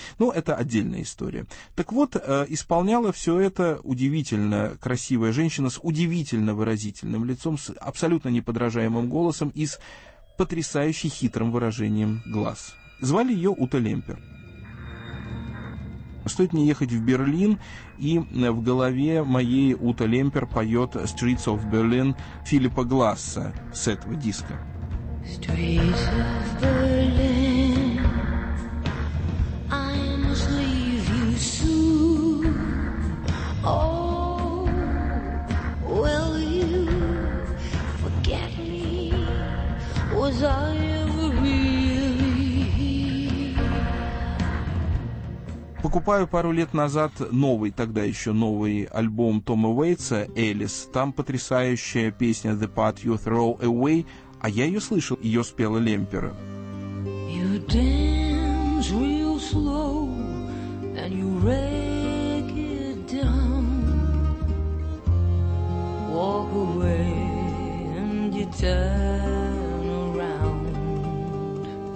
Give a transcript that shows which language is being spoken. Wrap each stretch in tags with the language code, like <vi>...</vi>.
<ru>Ну, это отдельная история. Так вот, исполняла все это удивительно красивая женщина с удивительно выразительным лицом, с абсолютно неподражаемым голосом и с потрясающе хитрым выражением глаз. Звали ее Ута Лемпер. Стоит мне ехать в Берлин, и в голове моей Ута Лемпер поет «Streets of Berlin» Филиппа Гласса с этого диска.</ru> <en>Streets of Berlin, I must leave you soon. Oh, will you forget me? Was I ever really here?</en> <ru>Покупаю пару лет назад новый, тогда еще новый альбом Тома Уэйтса «Элис». Там потрясающая песня «The Part You Throw Away». А я ее слышал, ее спела Лемпер.</ru> <en>You dance real slow, and you rake it down. Walk away and you turn around.</en>